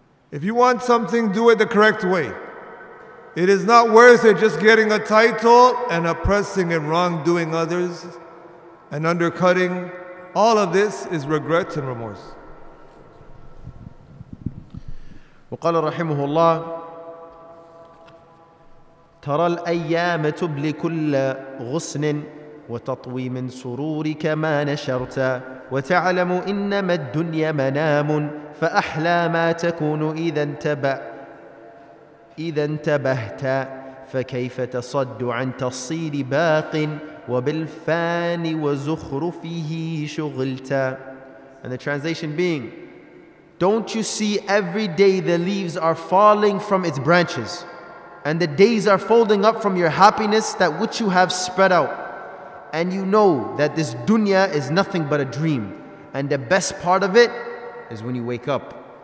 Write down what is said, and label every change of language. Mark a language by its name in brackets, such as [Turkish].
[English] If you want something, do it the correct way. It is not worth it just getting a title and oppressing and wrongdoing others and undercutting. All of this is regret and remorse. [Arabic] وقال رحمه الله ترى الأيام تبلي كل غصن وتطوي من سرورك ما نشرت وتعلم إنما الدنيا منام فأحلى ما تكون إذا انتبهت فكيف تصد عن تصير باق وبالفان وزخرفه شغلت. [English] And the translation being, don't you see every day the leaves are falling from its branches and the days are folding up from your happiness that which you have spread out? And you know that this dunya is nothing but a dream, and the best part of it is when you wake up.